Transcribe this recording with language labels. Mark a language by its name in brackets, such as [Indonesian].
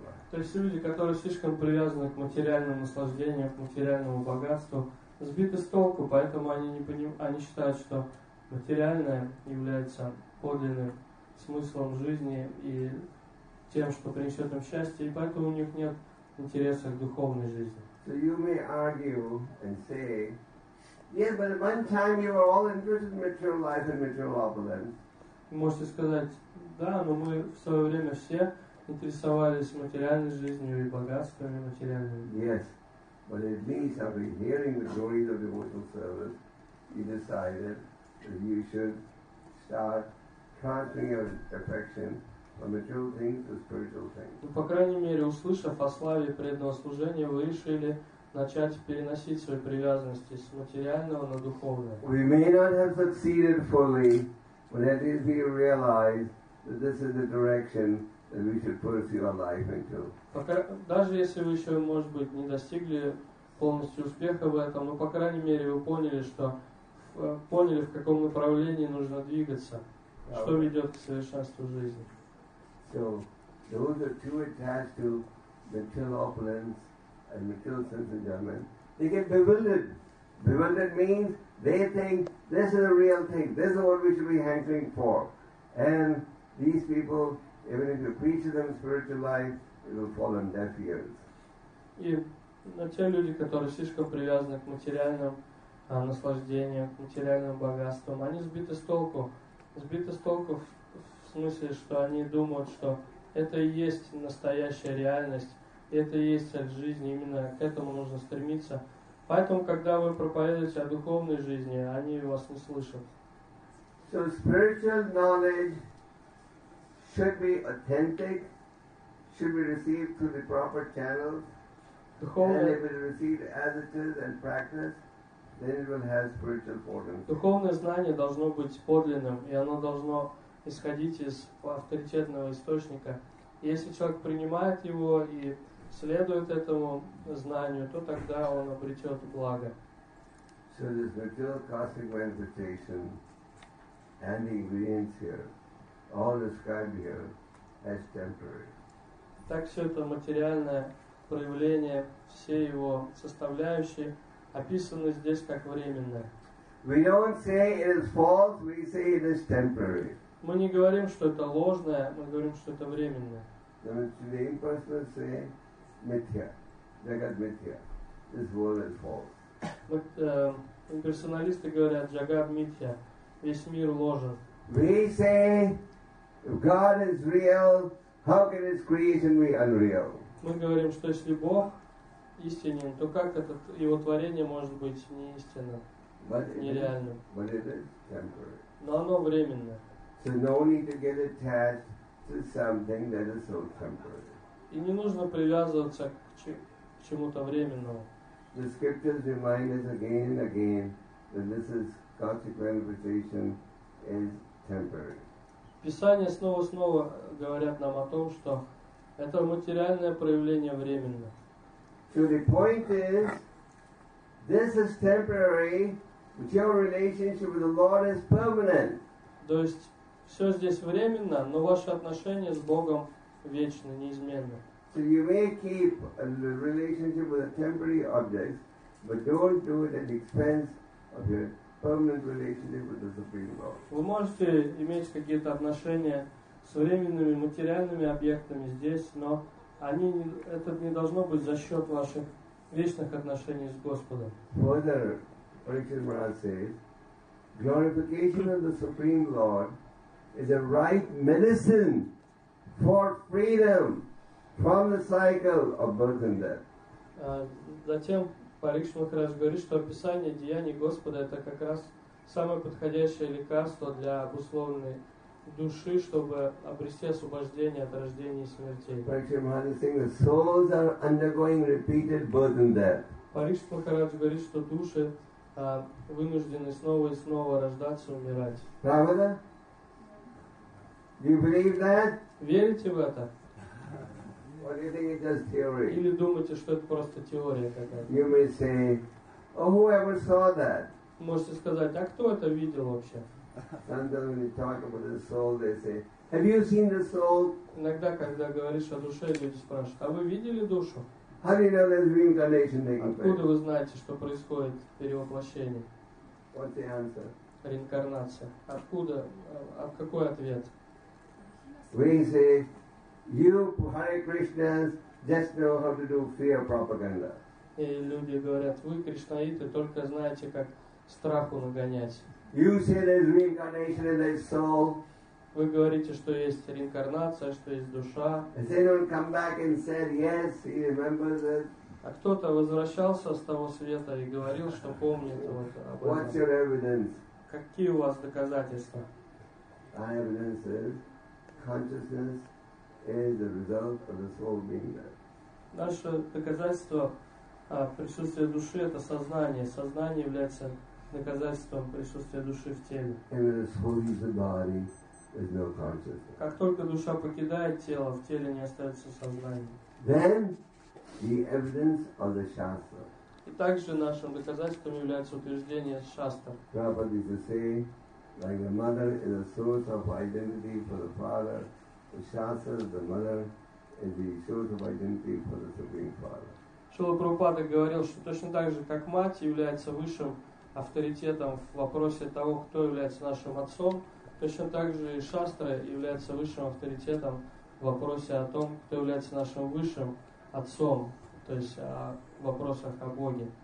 [Russian] То есть люди, которые слишком привязаны к материальному наслаждению, к материальному богатству, сбиты с толку, поэтому они считают, что материальное является подлинным смыслом жизни и тем, что принесет им счастье, и поэтому у них нет интересах духовной жизни. [English] So you may argue and say, yeah, but at one time you were all interested in material life and material opulence. [Russian] Можете сказать, да, но мы в свое время все интересовались материальной жизнью и богатствами материальными. [English] Yes, but at least after hearing the glories of devotional service, you decided that you should start transferring your affection from material things to spiritual things. [Russian] По крайней мере, услышав о славе преданного служения, вы решили начать переносить свои привязанности с материального на духовное. [English] We may not have succeeded fully, but at least we realize that this is the direction that we should pursue our life into. [Russian] Даже если вы еще, может быть, не достигли полностью успеха в этом, но по крайней мере вы поняли, что поняли, в каком направлении нужно двигаться, что ведет к совершенству жизни. [English] So those are too attached to material opulence and material sense enjoyment. They get bewildered. Bewildered means they think this is a real thing. This is what we should be hankering for. And these people, even if you preach to them spiritual life, it will fall on deaf ears. [Russian] И на те люди, которые слишком привязаны к материальным наслаждениям, к материальным богатствам, они сбиты с толку. Сбиты с толку в смысле, что они думают, что это и есть настоящая реальность, и это и есть цель жизни, именно к этому нужно стремиться. Поэтому, когда вы проповедуете о духовной жизни, они вас не слышат. [English] So spiritual knowledge should be authentic, should be received through the proper channels, and if it is received as it is and practiced, then it will have spiritual potency. [Russian] Духовное знание должно быть подлинным, и оно должно исходить из авторитетного источника. Если человек принимает его и следует этому знанию, то тогда он обретет благо. [English] So this material cosmic manifestation and the ingredients here, all described here as temporary. [Russian] Так все это материальное проявление, все его составляющие описаны здесь как временное. [English] We don't say it is false, we say it is temporary. [Russian] Мы не говорим, что это ложное, мы говорим, что это временное. [English] The main person say mithya, jagat mithya. This world is false. [Russian] Вот имперсоналисты говорят jagat mithya, весь мир ложен. [English] We say if God is real, how can his creation be unreal? [Russian] Мы говорим, что если Бог истинен, то как это его творение может быть неистинным, нереальным? [English] But it is temporary. [Russian] Но оно временно. [English] So no need to get attached to something that is so temporary. [Russian] И не нужно привязываться к чему-то временному. [English] The scriptures remind us again and again that this is cosmic manifestation is temporary. [Russian] Писания снова и снова говорят нам о том, что это материальное проявление временно. [English] So the point is, this is temporary, but your relationship with the Lord is permanent. [Russian] То есть все здесь временно, но ваши отношения с Богом вечны, неизменны. [English] So you may keep a relationship with a temporary object, but don't do it at the expense of your permanent relationship with the Supreme Lord. [Russian] Вы можете иметь какие-то отношения с временными материальными объектами здесь, но они не, это не должно быть за счет ваших вечных отношений с Господом. [English] Further, Parikshit Maharaj says, glorification of the Supreme Lord is a right medicine for freedom from the cycle of birth and death. [Russian] Затем Парикшит Махарадж говорит, что описание деяний Господа это как раз самое подходящее лекарство для обусловленной души, чтобы обрести освобождение от рождения и смертей. [English] Parikshit Maharaj is saying the souls are undergoing repeated birth and death. [Russian] Парикшит Махарадж говорит, что души вынуждены снова и снова рождаться и умирать. Правда? [English] Do you believe that? [Russian] Верите в это? [English] Or do you think it's just theory? [Russian] Или думаете, что это просто теория какая-то? [English] You may say, oh, whoever saw that? [Russian] Можете сказать, а кто это видел вообще? [English] Sometimes when you talk about the soul, they say, have you seen the soul? [Russian] Иногда, когда говоришь о душе, люди спрашивают, а вы видели душу? [English] How do you know there's reincarnation taking place? [Russian] Откуда вы знаете, что происходит перевоплощение? [English] What's the answer? [Russian] Реинкарнация. Откуда? От какой ответ? [English] We say, you Hare Krishnas just know how to do fear propaganda. [Russian] И люди говорят: вы кришнаиты, только знаете, как страху нагонять. [English] You say there's reincarnation and there's soul. [Russian] Вы говорите, что есть реинкарнация, что есть душа. [English] And someone come back and said, yes, he remembers it. [Russian] А кто-то возвращался с того света и говорил, что помнит вот об этом. [English] What's your evidence? [Russian] Какие у вас доказательства? [English] My evidence is consciousness is the result of the soul being there. [Russian] Наше доказательство присутствия души это сознание. Сознание является доказательством присутствия души в теле. [English] And when the soul leaves the body, there's no consciousness. [Russian] Как только душа покидает тело, в теле не остается сознание. [English] Then the evidence of the shastra. [Russian] И также нашим доказательством является утверждение шастр. [English] Prabhupada used to say, like the mother is a source of identity for the father, the shastra, the mother, is the source of identity for the supreme father. [Russian] Шрила Прабхупада говорил, что точно так же, как мать является высшим авторитетом в вопросе того, кто является нашим отцом, точно так же и шастра является высшим авторитетом в вопросе о том, кто является нашим высшим отцом, то есть о вопросах о Боге.